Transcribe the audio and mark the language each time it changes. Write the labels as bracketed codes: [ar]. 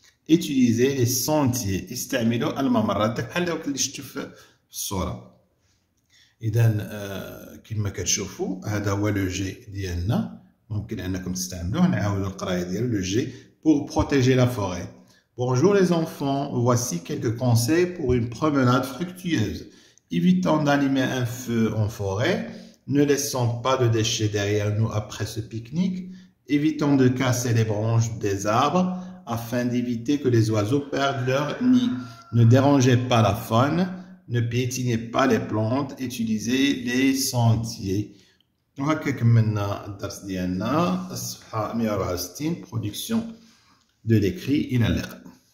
[ar] إتيليزي لي سونتي، استعملوا الممرات بحال داك اللي شفتو في الصورة. إذا كما كتشوفوا هذا هو لو جي ديالنا، ممكن انكم تستعملوه. نعاودوا القرايه ديالو لو جي بور بروتيجي لا فوري. [fr] بونجور لي انفون، voici quelques conseils pour une promenade fructueuse. Évitons d'allumer un feu en forêt. Ne laissons pas de déchets derrière nous après ce pique-nique. Évitons de casser les branches des arbres afin d'éviter que les oiseaux perdent leur nid. Ne dérangez pas la faune, ne piétinez pas les plantes, utilisez les sentiers. [ar] وهكا كملنا الدرس ديالنا الصفحة 164 برودكسيون دو ليكري. إلى اللقاء.